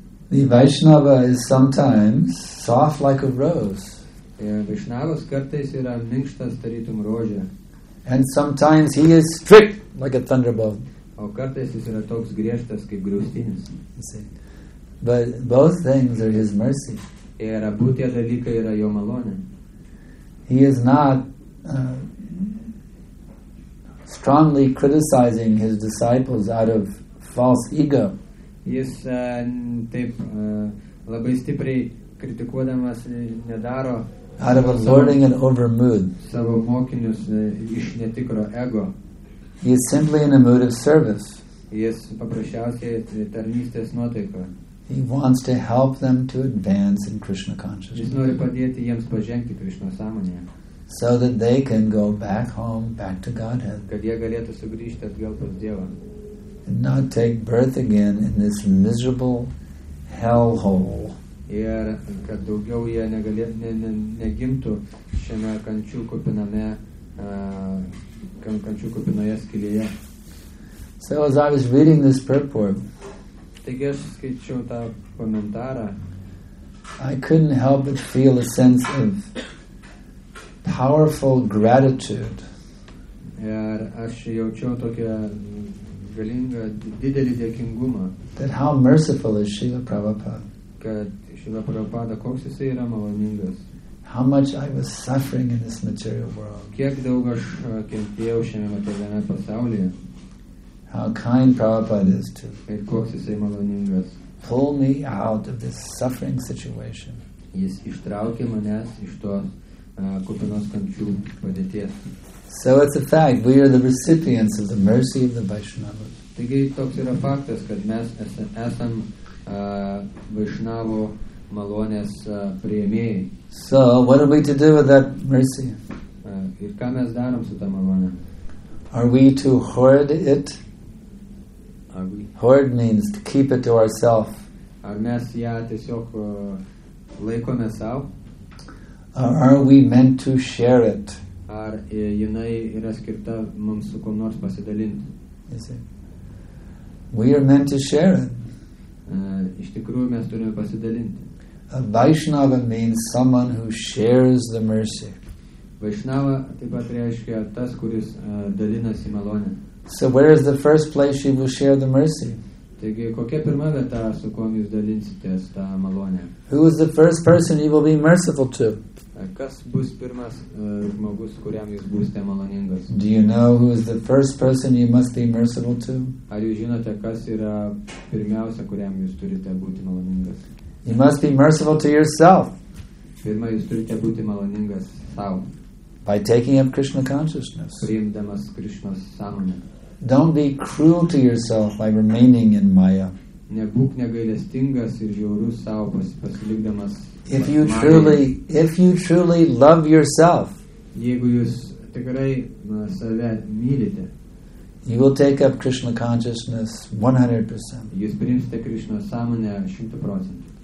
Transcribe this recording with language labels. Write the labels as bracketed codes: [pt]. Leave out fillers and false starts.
[en] The Vaishnava is sometimes soft like a rose. [lt] Vaishnavas kartais yra minkštas tarytum rožė. [en] And sometimes he is strict like a thunderbolt. [lt] O kartais jis yra toks griežtas kaip griaustinis. [en] But both things are his mercy. [lt] Ir abu tie dalykai yra jo malonė. [en] He is not strongly criticizing his disciples out of false ego. [lt] Jis taip labai stipriai kritikuodamas nedaro [en] out of a learning and over mood. [lt] Savo mokinius iš netikro ego. [en] He is simply in a mood of service. [lt] Jis paprasčiausiai tarnystės nuotaiko. [en] He wants to help them to advance in Krishna consciousness. [lt] Jis nori padėti jiems pažengti Krishna sąmonėje. [en] So that they can go back home, back to Godhead. [lt] Kad jie galėtų sugrįžti atgal pas Dievą. [en] And not take birth again in this miserable hell hole. [lt] Ir kad daugiau jie negimtų šiame kančių kupinoje skylėje. [en] So as I was reading this purport, [lt] taigi aš skaičiau tą komentarą, [en] I couldn't help but feel a sense of powerful gratitude. [lt] Ir aš jaučiau tokią galingą, didelį dėkingumą. [en] That how merciful is Srila Prabhupada. [lt] Kad Srila Prabhupada, koks jis yra maloningas. [en] How much I was suffering in this material world. [lt] Kiek daug aš kentėjau šiame materialiame pasaulyje. [en] How kind Prabhupada is to. [lt] Ir koks jis maloningas. [en] Pull me out of this suffering situation. [lt] Jis ištraukė manęs iš tos kupinos kančių padėties. [en] So it's a fact, we are the recipients of the mercy of the Vaishnavas. [lt] Taigi toks yra faktas, kad mes esam Vaishnavo malonės priėmėjai. [en] So what are we to do with that mercy? [lt] Ir ką mes darom su tą malonę? [en] Are we to hoard it? Are we? Hoard means to keep it to ourselves. [lt] Ar mes ją tiesiog laikome sau? [en] Or are we meant to share it? [lt] Ar jinai yra skirta mums su kuo nors pasidalinti. [en] We are meant to share it. [lt] Iš tikrųjų mes turime pasidalinti. [en] A Vaishnava means someone who shares the mercy. [lt] Vaishnava taip pat reiškia tas, kuris dalinasi malonę. [en] So where is the first place you will share the mercy? [lt] Taigi kokia pirma vieta, su kuo jūs dalinsitės tą malonę? [en] Who is the first person you will be merciful to? [lt] Kas bus pirmas žmogus, kuriam jūs būsite maloningas? [en] Do you know who is the first person you must be merciful to? [lt] Ar jūs žinote, kas yra pirmiausia, kuriam jūs turite būti maloningas? [en] You must be merciful to yourself. [lt] Pirma, jūs turite būti maloningas sau. [en] By taking up Krishna consciousness. [lt] Priimdamas Krishnos sąmonę. [en] Don't be cruel to yourself by remaining in Maya. [lt] Nebūk negailestingas ir žiaurus sau pasilikdamas. [en] If you truly love yourself, [lt] jeigu jūs tikrai save mylite, [en] you will take up Krishna consciousness 100%. [lt] Jūs priimsite Krishna sąmonę 100%.